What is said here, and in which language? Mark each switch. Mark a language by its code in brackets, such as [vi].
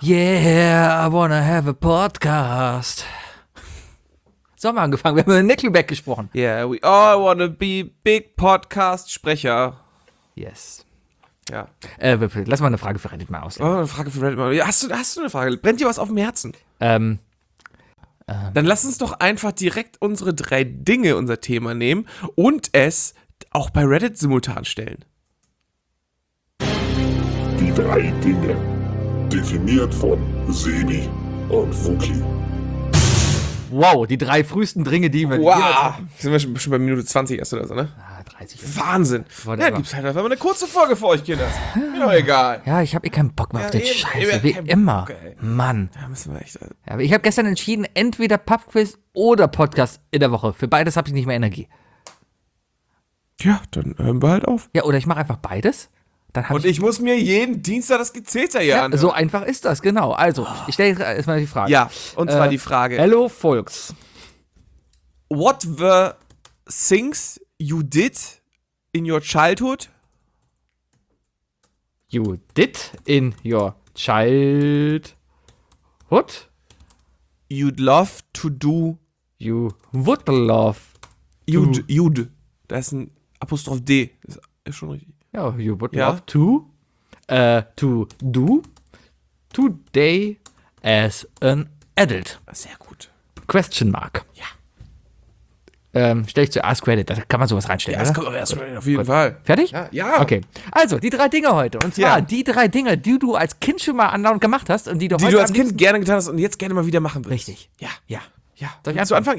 [en] Yeah, I wanna have a podcast. [de] So haben wir angefangen, wir haben mit Nickelback gesprochen. [en] Yeah, we all wanna be big podcast Sprecher. Yes. [de] Ja. Lass mal eine Frage für Reddit mal aus. Oh, eine Frage für Reddit mal. Hast du eine Frage? Brennt dir was auf dem Herzen? Dann lass uns doch einfach direkt unsere drei Dinge, unser Thema nehmen und es auch bei Reddit simultan stellen. Die drei Dinge, definiert von Sebi und Fuki. Wow, die drei frühesten Dinge, die wir... Wow, sind wir schon bei Minute 20 erst oder so, ne? 30. Wahnsinn. Ja, gibt's halt einfach mal eine kurze Folge für euch, Kinder. Mir doch egal. Ja, ich hab keinen Bock mehr auf den Scheiße, wie immer. Bock, Mann. Da müssen wir echt... Ich hab gestern entschieden, entweder Pubquiz oder Podcast in der Woche. Für beides hab ich nicht mehr Energie. Ja, dann hören wir halt auf. Ja, oder ich mach einfach beides. Dann und ich muss mir jeden Dienstag das Gezählte hier anhören. So einfach ist das, genau. Also, ich stelle erstmal die Frage. Ja, und zwar die Frage. [en] Hello, folks. What were things you did in your childhood? You did in your childhood? You'd love to do. You would love to. You'd. [de] Da ist ein Apostroph D. Das ist schon richtig. [en] Ja, you would love to do today as an adult. [de] Sehr gut. [en] Question mark. [de] Ja. Stell ich zu Ask Reddit, da kann man sowas reinstellen, ja, oder? Ja, das kommt auf Ask Reddit, auf jeden gut. Fall. Fertig? Ja. Okay, also die drei Dinge heute. Und zwar die drei Dinge, die du als Kind schon mal andauernd gemacht hast und die du als Kind gerne getan hast und jetzt gerne mal wieder machen willst. Richtig. Ja. Ja. Ja. Soll ich anfangen?